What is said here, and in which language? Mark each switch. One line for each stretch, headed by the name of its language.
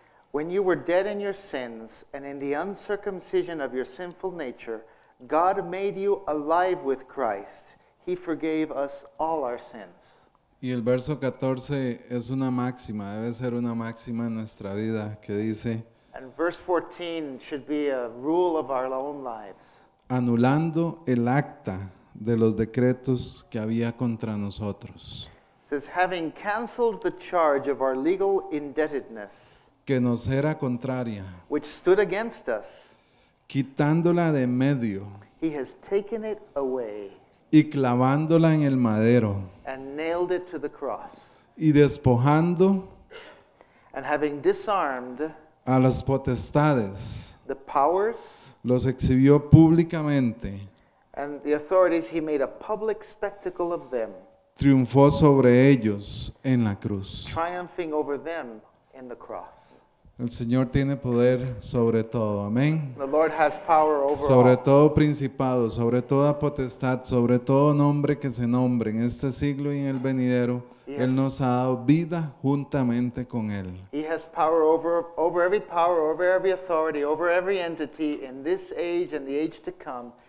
English: When you were dead in your sins and in the uncircumcision of your sinful nature, God made you alive with Christ. He forgave us all our sins.
Spanish: Y el verso 14 es una máxima, debe ser una máxima en nuestra vida, que dice,
English: and verse 14 should be a rule of our own lives.
Spanish: Anulando el acta de los decretos que había contra nosotros.
English: It says, having canceled the charge of our legal indebtedness,
Spanish: que nos era contraria,
English: which stood against us,
Spanish: quitándola de medio,
English: he has taken it away,
Spanish: y clavándola en el madero,
English: and nailed it to the cross,
Spanish: y despojando,
English: and having disarmed,
Spanish: a las potestades,
English: the powers,
Spanish: los exhibió públicamente,
English: and the authorities, he made a public spectacle of them,
Spanish: triunfó sobre ellos en la cruz,
English: triumphing over them in the cross.
Spanish: El Señor tiene poder sobre todo. Amén.
English: The Lord has power over
Spanish: sobre
English: all.
Spanish: Todo principado, sobre toda potestad, sobre todo nombre que se nombre en este siglo y en el venidero.
English: He
Spanish: Él nos ha dado vida juntamente con Él.
English: He has power over every power, over every authority, over every entity in this age and the age to come.